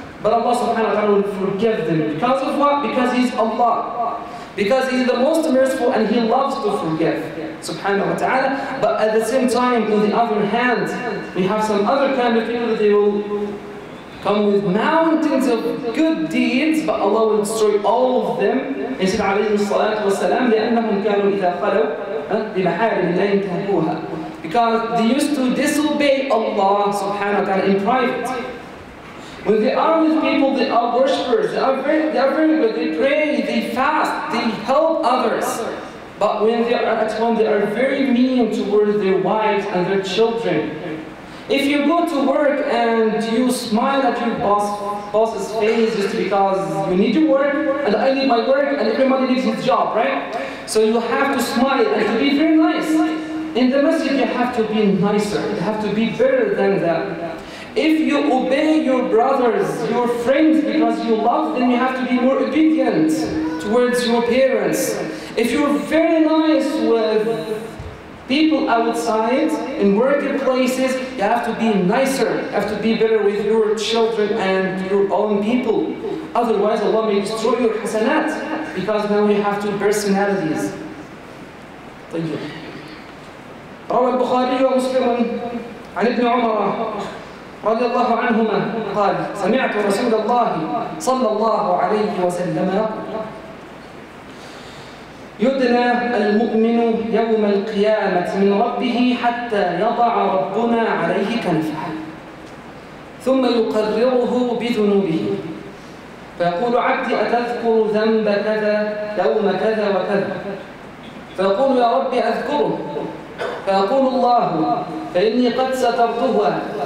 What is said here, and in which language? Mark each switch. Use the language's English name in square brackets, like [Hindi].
[English] But Allah subhanahu wa ta'ala will forgive them. Because of what? Because He's Allah. Because He's the most merciful and He loves to forgive. Subhanahu wa ta'ala. But at the same time, on the other hand, we have some other kind of people that they will come with mountains of good deeds, but Allah will destroy all of them. He said, [Arabic] عليهم الصلاة والسلام, لأنهم كانوا إذا خلوا لمحارم الله انتهكوها. [English] Because they used to disobey Allah subhanahu wa ta'ala in private. When they are with people, they are worshippers, they are very good, they pray, they fast, they help others. But when they are at home, they are very mean towards their wives and their children. If you go to work and you smile at your boss's face just because you need to work, and I need my work, and everybody needs his job, right? So you have to smile and to be very nice. In the masjid, you have to be nicer, you have to be better than them. If you obey your brothers, your friends, because you love them, you have to be more obedient towards your parents. If you're very nice with people outside, in working places, you have to be nicer, you have to be better with your children and your own people. Otherwise, Allah may destroy your hasanat, because now you have two personalities. Thank you. [Arabic] رواه البخاري ومسلم عن ابن عمر رضي الله عنهما قال: سمعت رسول الله صلى الله عليه وسلم يدنى المؤمن يوم القيامة من ربه حتى يضع ربنا عليه كنفه ثم يقرره بذنوبه فيقول: عبدي أتذكر ذنب كذا يوم كذا وكذا؟ فيقول: يا ربي أذكره. فيقول الله: فإني قد سترتها